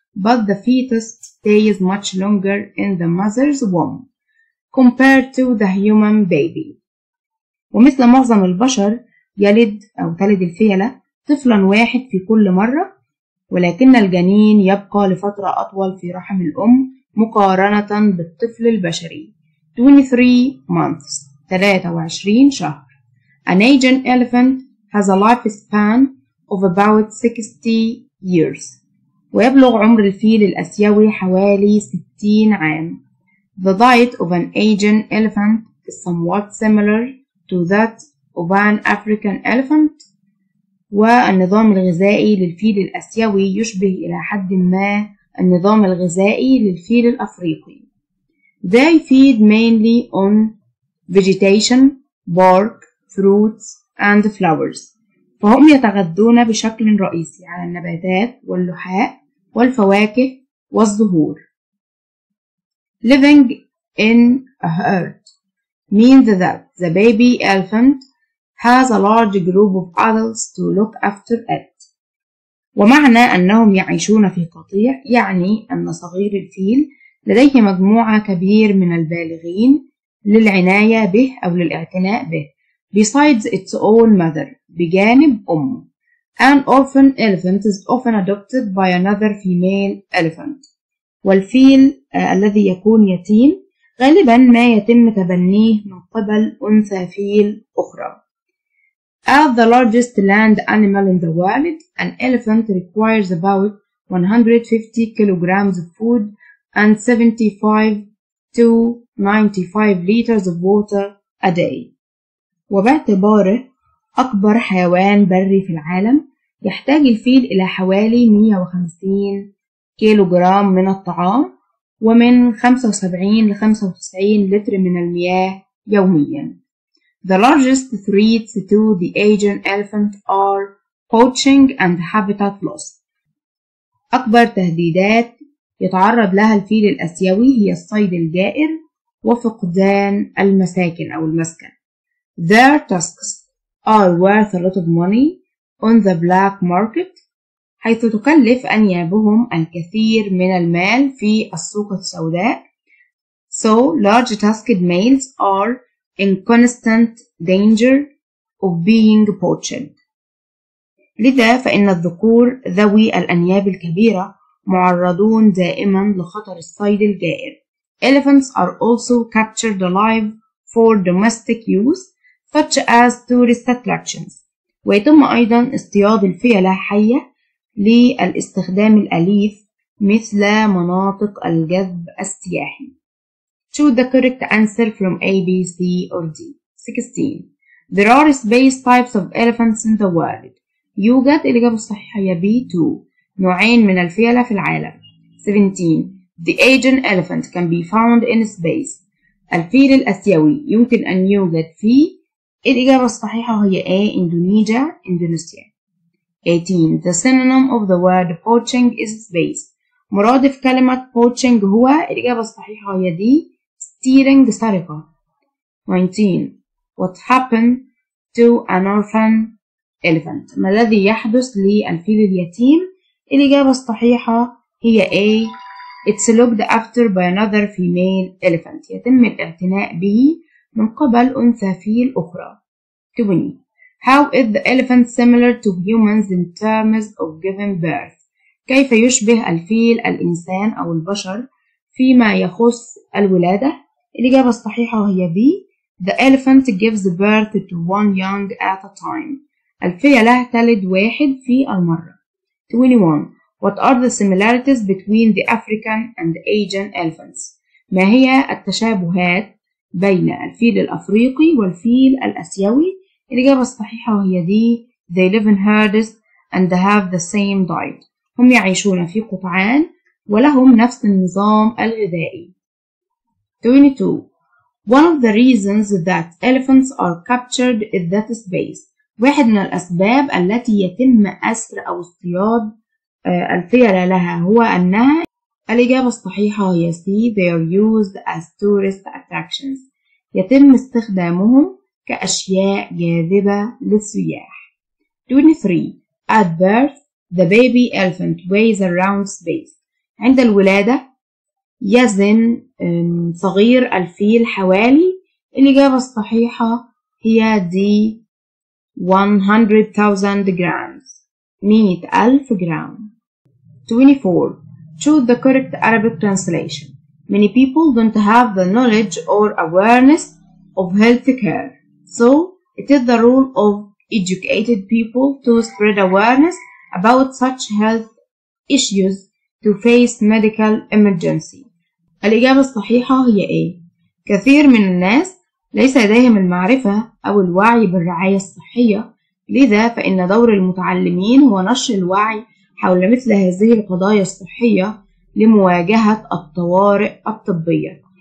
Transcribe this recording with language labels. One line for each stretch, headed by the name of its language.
English: But the fetus stays much longer in the mother's womb compared to the human baby.
Arabic: ومثل معظم البشر يلد أو تلد الفيلة طفلا واحد في كل مرة ولكن الجنين يبقى لفترة أطول في رحم الأم مقارنة بالطفل البشري.
English: 23 months
Arabic: 23 شهر.
English: An Asian elephant has a lifespan of about 60 years.
Arabic: ويبلغ عمر الفيل الآسيوي حوالي 60 عام.
English: The diet of an Asian elephant is somewhat similar to that of an African elephant.
Arabic: والنظام الغذائي للفيل الآسيوي يشبه إلى حد ما النظام الغذائي للفيل الأفريقي.
English: They feed mainly on vegetation, bark, fruits, and flowers.
Arabic: فهم يتغذون بشكل رئيسي على النباتات واللحاء والفواكه والزهور.
English: Living in a herd means that the baby elephant has a large group of adults to look after it.
Arabic: ومعنى أنهم يعيشون في قطيع يعني أن صغير الفيل لديه مجموعة كبير من البالغين للعناية به أو للاعتناء به
English: besides its own mother
Arabic: بجانب أمه.
English: An orphan elephant is often adopted by another female elephant.
Arabic: والفيل الذي يكون يتيم غالبا ما يتم تبنيه من قبل أنثى فيل أخرى.
English: As the largest land animal in the world, an elephant requires about 150 kilograms of food and 75 to 95 liters of water a day.
Arabic: وباعتباره أكبر حيوان بري في العالم، يحتاج الفيل إلى حوالي 150 كيلوغرام من الطعام ومن 75 لـ95 لتر من المياه يومياً.
English: The largest threats to the Asian elephant are poaching and habitat loss.
Arabic: أكبر تهديدات يتعرض لها الفيل الآسيوي هي الصيد الجائر وفقدان المساكن أو المسكن.
English: Their tusks are worth a lot of money on the black market
Arabic: حيث تكلف أنيابهم الكثير من المال في السوق السوداء.
English: So large tusked males are in constant danger of being poached.
Arabic: لذا فإن الذكور ذوي الأنياب الكبيرة معرضون دائما لخطر الصيد الجائر.
English: Elephants are also captured alive for domestic use such as tourist attractions.
Arabic: ويتم أيضا اصطياد الفيلة حية للاستخدام الأليف مثل مناطق الجذب السياحي.
English: Choose the correct answer from A, B, C or D. 16. There are space types of elephants in the world.
Arabic: يوجد الإجابة الصحيحة هي B, 2. نوعين من الفيلة في العالم.
English: 17. The Asian elephant can be found in space.
Arabic: الفيل الآسيوي يمكن أن يوجد في. الإجابة الصحيحة هي A. إندونيسيا. 18.
English: The synonym of the word poaching is space.
Arabic: مرادف كلمة poaching هو. الإجابة الصحيحة هي D.
English: Stealing سرقة. 19. What happened to an orphan elephant?
Arabic: ما الذي يحدث للفيل اليتيم؟ الإجابة الصحيحة هي A.
English: It's looked after by another female elephant.
Arabic: يتم الاعتناء به من قبل أنثى فيل أخرى.
English: 20. How is the elephant similar to humans in terms of giving birth?
Arabic: كيف يشبه الفيل الإنسان أو البشر فيما يخص الولادة؟ الإجابة الصحيحة هي B.
English: The elephant gives birth to one young at a time.
Arabic: الفيلة تلد واحد في المرة.
English: 21. What are the similarities between the African and the Asian elephants?
Arabic: ما هي التشابهات بين الفيل الأفريقي والفيل الأسيوي؟ الإجابة الصحيحة هي D.
English: They live in herds and have the same diet.
Arabic: هم يعيشون في قطعان ولهم نفس النظام الغذائي.
English: 22. One of the reasons that elephants are captured is that space.
Arabic: واحد من الأسباب التي يتم أسر أو اصطياد الفيلة لها هو أنها. الإجابة الصحيحة هي C.
English: They are used as tourist attractions.
Arabic: يتم استخدامهم كأشياء جاذبة للسياح.
English: 23. At birth, the baby elephant weighs around space.
Arabic: عند الولادة يزن صغير الفيل حوالي. الإجابة الصحيحة هي D.
English: 100,000 grams.
Arabic: 100,000 جرام. 24.
English: Choose the correct Arabic translation. Many people don't have the knowledge or awareness of health care. So, it is the role of educated people to spread awareness about such health issues to face medical emergency.
Arabic: الإجابة الصحيحة هي A. كثير من الناس ليس لديهم المعرفة أو الوعي بالرعاية الصحية، لذا فإن دور المتعلمين هو نشر الوعي حول مثل هذه القضايا الصحية لمواجهة الطوارئ الطبية.